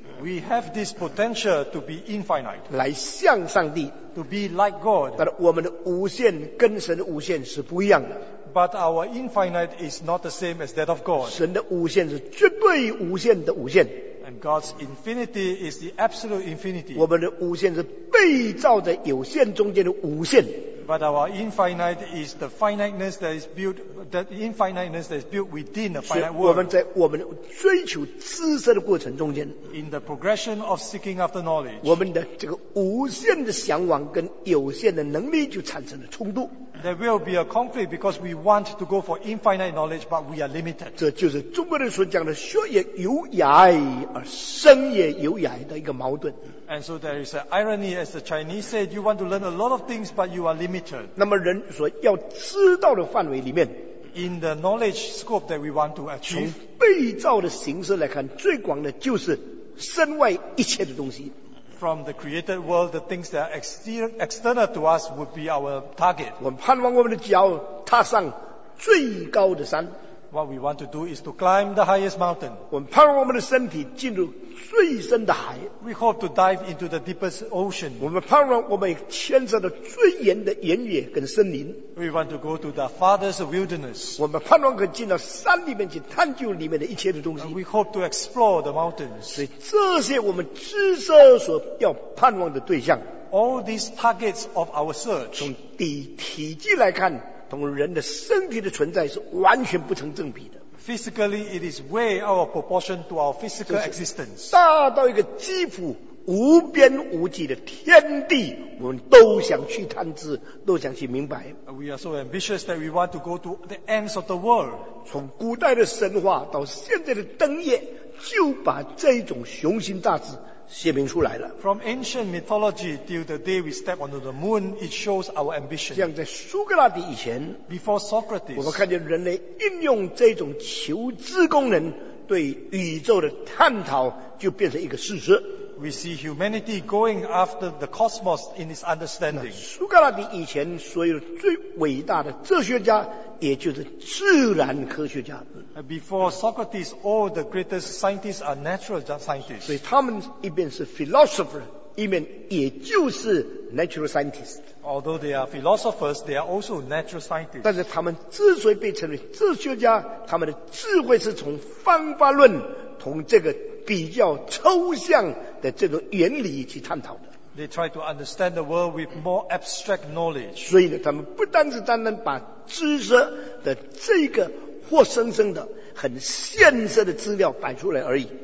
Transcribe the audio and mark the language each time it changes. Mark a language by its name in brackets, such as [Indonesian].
[English] We have this potential to be infinite. [Chinese] 来向上帝。 [English] To be like God. [Chinese] 但我们的无限跟神的无限是不一样的。 [English] But our infinite is not the same as that of God. [Chinese] 神的无限是绝对无限的无限。 [English] And God's infinity is the absolute infinity. [Chinese] 我们的无限是被造在有限中间的无限。 [English] But our infinite is the finiteness that is built, that infiniteness that is built within a finite world. [Chinese] 我们在我们追求知识的过程中间 [English] ，in the progression of seeking after knowledge, [Chinese] 我们的这个无限的向往跟有限的能力就产生了冲突。 [English] There will be a conflict because we want to go for infinite knowledge, but we are limited. [Chinese] 这就是中国人所讲的“学也有涯，而生也有涯”的一个矛盾。 [English] And so there is an irony, as the Chinese said, you want to learn a lot of things, but you are limited. [Chinese] 那么人所要知道的范围里面 [English] ，in the knowledge scope that we want to achieve， [Chinese] 从被造的形式来看，最广的就是身外一切的东西。 [English] From the created world, the things that are external to us would be our target. [Chinese] 我们盼望我们的脚踏上最高的山。 [English] What we want to do is to climb the highest mountain. [Chinese] 我们盼望我们的身体进入最深的海。 [English] We hope to dive into the deepest ocean. [Chinese] 我们盼望我们牵涉到最远的原野跟森林。 [English] We want to go to the farthest wilderness. [Chinese] 我们盼望可以进到山里面去探究里面的一切的东西。 [English] And we hope to explore the mountains. [Chinese] 所以这些我们知识所要盼望的对象。 [English] All these targets of our search. [Chinese] 从体积来看。同人的身体的存在是完全不成正比的。 [English] Physically, it is way out of proportion to our physical existence. [Chinese] 大到一个几乎无边无际的天地，我们都想去探知，都想去明白。 [English] We are so ambitious that we want to go to the ends of the world. [Chinese] 从古代的神话到现在的灯夜，就把这种雄心大志。写明出来了。 [English] From ancient mythology till the day we step onto the moon, it shows our ambition. [Chinese] 像在苏格拉底以前 [English] ，before Socrates， [Chinese] 我们看见人类应用这种求知功能对宇宙的探讨，就变成一个事实。 [English] We see humanity going after the cosmos in its understanding. [Chinese] 苏格拉底以前所有最伟大的哲学家。也就是自然科学家。 [English] Before Socrates, all the greatest scientists are natural scientists. [Chinese] 所以他们一边是 philosopher， 一边也就是 natural scientist。 [English] Although they are philosophers, they are also natural scientists. [Chinese] 但是他们之所以被称为哲学家，他们的智慧是从方法论，从这个比较抽象的这个原理去探讨的。 [English] They try to understand the world with more abstract knowledge. [Chinese] 所以呢，他们不单是单单把知识的这个活生生的很现实的资料摆出来而已。